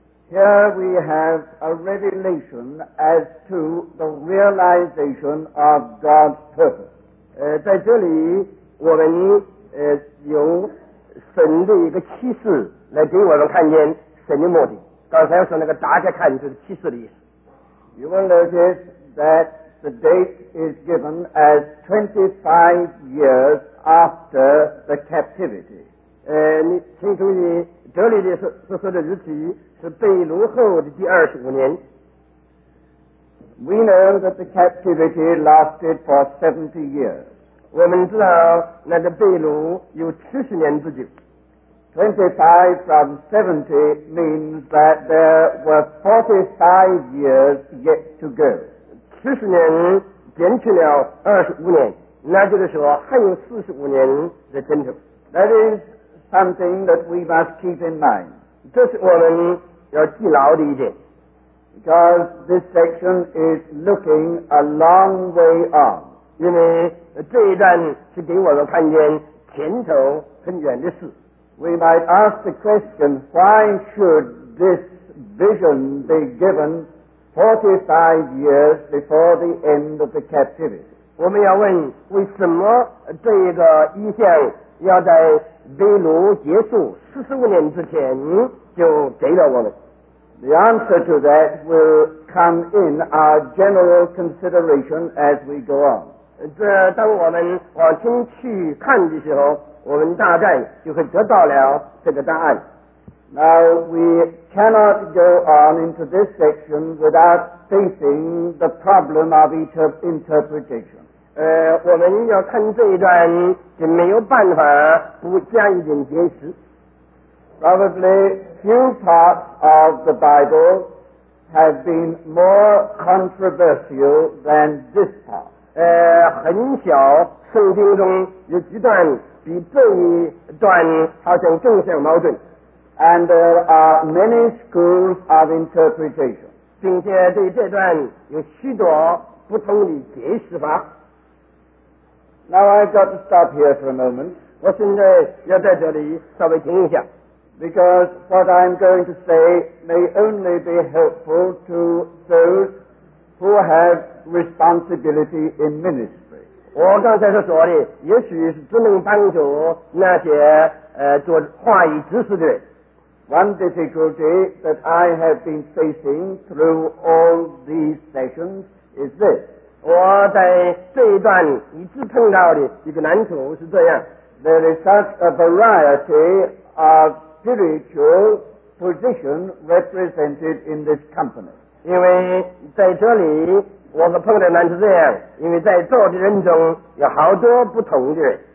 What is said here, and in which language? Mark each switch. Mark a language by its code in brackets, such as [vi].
[en] Here we have a revelation as to the realization of God's purpose. [zh] 在这里我们由神的一个启示来给我们看见神的目的。刚才说那个打开看就是启示的意思。 [en] You will notice that the date is given as 25 years after the captivity. [zh] 你请注意这里的说的日期是被掳后的第25年。 [en] We know that the captivity lasted for 70 years. [zh] 我们知道那个被掳有70年之久。 [en] 25 from 70 means that there were 45 years yet to go. [zh] 70年减去了25年，那就是说还有45年的前途。 [en] That is something that we must keep in mind. [zh] 这是我们要记牢的一点。 [en] Because this section is looking a long way on. [zh] 因为这一段是给我们看见前头很远的事。 [en] We might ask the question, why should this vision be given 45 years before the end of the captivity? [zh] 我们要问为什么这一个意象要在被掳结束45年之前就给了我们。 [en] The answer to that will come in our general consideration as we go on. [zh] 这当我们往前去看的时候，我们大概就会得到了这个答案。 [en] Now we cannot go on into this section without facing the problem of interpretation. [zh] 我们要看这一段是没有办法不加一点解释。 [en] Probably few parts of the Bible have been more controversial than this part. [zh] 很小圣经中有几段比这一段好像正相矛盾。 [en] And there are many schools of interpretation. [zh] 并且对这段有许多不同的解释法。 [en] Now I've got to stop here for a moment. [zh] 我现在要在这里稍微停一下。 [en] Because what I'm going to say may only be helpful to those who have responsibility in ministry. [zh] 我刚才所说的也许是只能帮助那些做话语知识的人。 [en] One difficulty that I have been facing through all these sessions is this. [zh] 我在这一段一直碰到的一个难处是这样。 [en] There is such a variety of spiritual position represented in this company. [zh] 因为在这里我们碰到难是这样，因为在座的人中有好多不同的人。